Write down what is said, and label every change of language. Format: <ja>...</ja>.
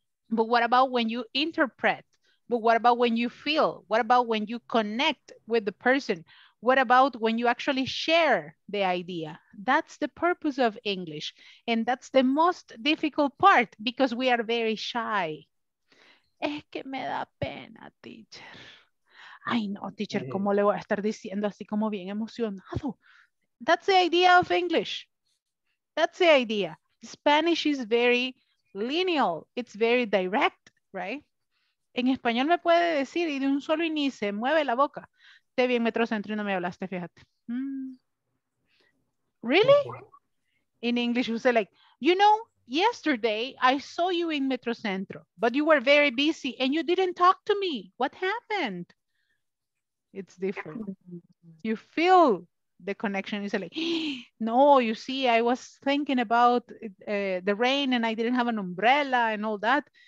<en>But what about when you interpret? But what about when you feel? What about when you connect with the person? What about when you actually share the idea? That's the purpose of English. And that's the most difficult part because we are very shy.</en> <es>Es que me da pena, teacher. Ay, no, teacher, ¿cómo le voy a estar diciendo así como bien emocionado?</es> <en>That's the idea of English. That's the idea. Spanish is very lineal. It's very direct, right?</en> <es>En español me puede decir y de un solo inicio se mueve la boca. Te vi en Metrocentro y no me hablaste, fíjate.</es> <en>Really? In English, you say like, you know, yesterday I saw you in Metrocentro, but you were very busy and you didn't talk to me. What happened? It's different. You feel the connection. You say like, no, you see, I was thinking about the rain and I didn't have an umbrella and all that.</en>